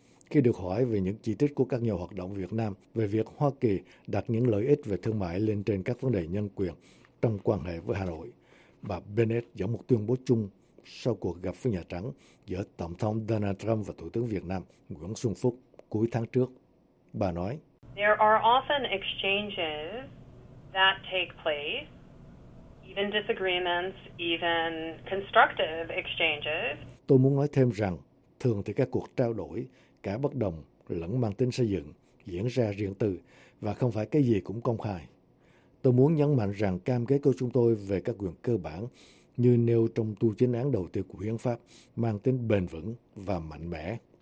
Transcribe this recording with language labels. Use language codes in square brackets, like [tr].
[vi] Khi được hỏi về những chỉ trích của các nhà hoạt động Việt Nam về việc Hoa Kỳ đặt những lợi ích về thương mại lên trên các vấn đề nhân quyền trong quan hệ với Hà Nội, bà Bennett dẫn một tuyên bố chung sau cuộc gặp với Nhà Trắng giữa Tổng thống Donald Trump và Thủ tướng Việt Nam Nguyễn Xuân Phúc cuối tháng trước. Bà nói, [en] there are often exchanges that take place, even disagreements, even constructive exchanges. [vi] Tôi muốn nói thêm rằng, thường thì các cuộc trao đổi, cả bất đồng lẫn mang tính xây dựng, diễn ra riêng tư và không phải cái gì cũng công khai. Tôi muốn nhấn mạnh rằng cam kết của chúng tôi về các quyền cơ bản như nêu trong tu chính án đầu tiên của Hiến pháp mang tính bền vững và mạnh mẽ.